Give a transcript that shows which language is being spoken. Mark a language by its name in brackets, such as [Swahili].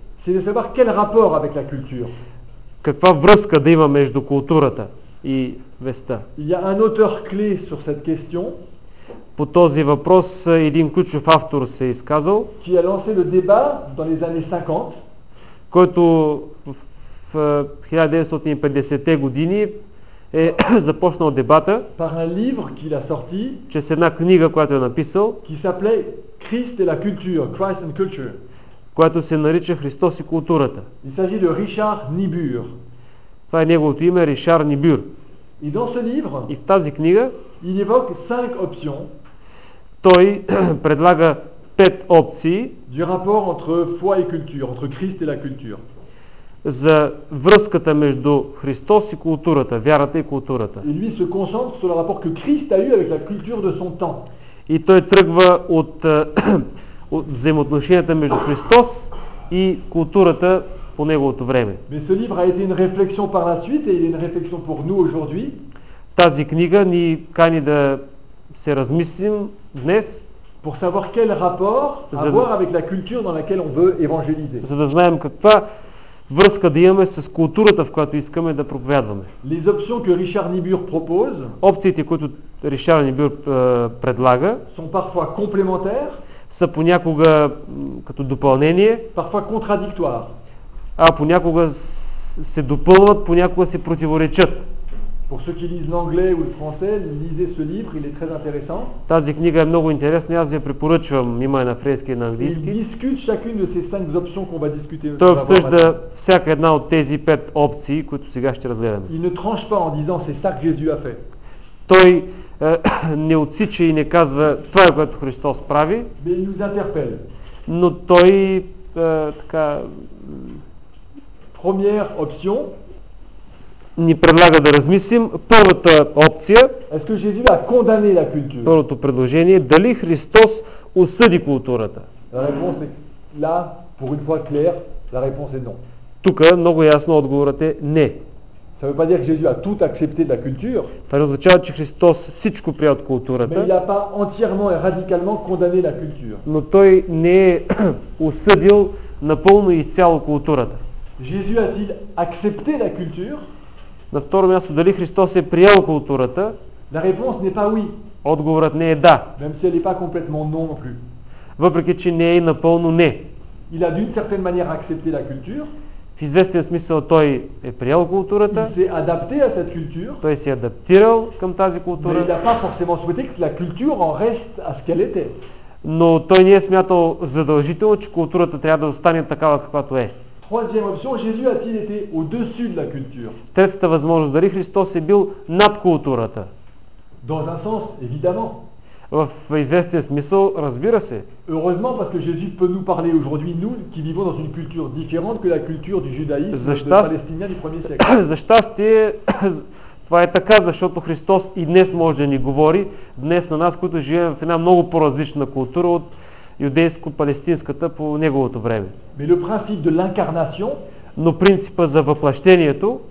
[French] c'est de savoir quel rapport avec la culture. [Bulgarian] Каква връзка да има между културата и веста. [French] Il y a un auteur clé sur cette question. [Bulgarian] По този въпрос един ключов автор се е изказал, [French] qui a lancé le débat dans les années 50, [Bulgarian] който в 1950-те години е започнал дебата [French] par un livre qu'il a sorti, [Bulgarian] чрез една книга, която е написал, [French] qui s'appelait Christ et la culture, Christ and culture, [Bulgarian] която се нарича Христос и културата. [French] Il s'agit de Richard Niebuhr. [Bulgarian] Това е неговото име, Ришар Нибюр. [French] Et dans ce livre, [Bulgarian] и в тази книга [French] il évoque 5 options, [Bulgarian] той предлага 5 опции [French] du rapport entre foi et culture, entre Christ et la culture, [Bulgarian] за връзката между Христос и културата, вярата и културата. [French] Et lui se concentre sur le rapport que Christ a eu avec la culture de son temps. [Bulgarian] И той тръгва от, от взаимоотношенията между Христос и културата по неговото време. [French] Mais ce livre a été une réflexion par la suite et il est une réflexion pour nous aujourd'hui. [Bulgarian] Тази книга ни кани да се размислим днес, [French] pour savoir quel rapport avoir avec la culture dans laquelle on veut évangéliser. [Bulgarian] За да знаем каква връзка да имаме с културата, в която искаме да проповядваме. [French] Les options que Richard Niebuhr propose, [Bulgarian] опциите, които Ришар Нибюр предлага, [French] sont parfois complémentaires, [Bulgarian] са понякога като допълнение, [French] parfois contradictoires, [Bulgarian] а понякога се допълват, понякога се противоречат. [French] Pour ceux qui lisent l'anglais ou le français, lisez ce livre, il est très intéressant. [Bulgarian] Тази книга е много интересна, аз ви препоръчвам, има е на френски и на английски. [French] Il discute chacune de ces 5 options qu'on va discuter. [Bulgarian] Той обсъжда всяка една от тези 5 опции, които сега ще разгледаме. [French] Il ne tranche pas en disant c'est ça que Jésus a fait. [Bulgarian] Той не отсича и не казва това, което Христос прави. [French] Mais il nous interpelle. [Bulgarian] Но той така, [French] première option, [Bulgarian] ни предлага да размислим първата опция. [French] Est-ce que Jésus a condamné la culture? [Bulgarian] Първото предложение, дали Христос осъди културата? [French] La réponse est là, pour une fois claire, la réponse est non. [Bulgarian] Тук много ясно отговорът е не. [French] Ça veut pas dire que Jésus a tout accepté de la culture. [Bulgarian] Това не означава, че Христос всичко прие от културата. [French] Mais il a pas entièrement et radicalement condamné la culture. [Bulgarian] Но той не е осъдил напълно и цяло културата. [French] Jésus a-t-il accepté la culture? [Bulgarian] На второ място, дали Христос е приел културата? [French] La réponse n'est pas oui. [Bulgarian] Отговорът не е да. [French] Même si elle est pas complètement non non plus. [Bulgarian] Въпреки че не е напълно не. [French] Il a d'une certaine manière accepté la culture. [Bulgarian] В известен смисъл той е приел културата. [French] Il s'est adapté à cette culture. [Bulgarian] Той се е адаптирал към тази култура. [French] Mais il n'a pas forcément souhaité que la culture en reste à ce qu'elle était. [Bulgarian] Но той не е смятал задължително, че културата трябва да остане такава, каквато е. [French] Troisième option, Jésus a-t-il été au-dessus de la culture? [Bulgarian] Третата възможност, дали Христос е бил над културата? [French] Dans un sens, évidemment. [Bulgarian] В известен смисъл, разбира се. [French] Heureusement, parce que Jésus peut nous parler aujourd'hui, nous, qui vivons dans une culture différente que la culture du judaïsme palestinien du premier siècle. [Bulgarian] За щастие, Това е така, защото Христос и днес може да ни говори, днес на нас, които живеем в една много по-различна култура от юдейско-палестинската по неговото време. [French] Mais le principe de l'incarnation, [Bulgarian] но принципа за въплъщението,